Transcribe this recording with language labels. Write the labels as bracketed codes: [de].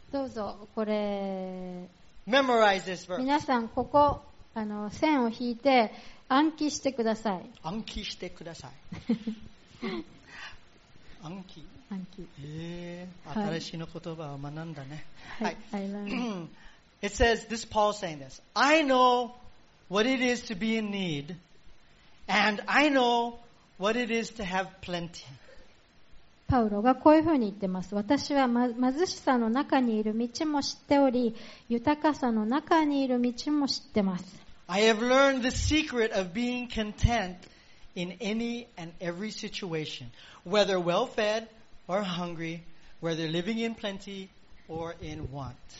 [ja] どうぞこれ、 [en] Memorize this verse. [ja] 皆さんここ線を引いて暗記してください。暗記してください。暗記、新しいの言葉を学んだね。はい、はい、 [en] It says this, Paul saying this, I know what it is to be in need and I know what it is to have plenty. [ja] パウロがこういうふうに言ってます。私は貧しさの中にいる道も知っており、豊かさの中にいる道も知ってます。 [en] I have learned the secret of being content in any and every situation, whether well fed or hungry, whether living in plenty or in want.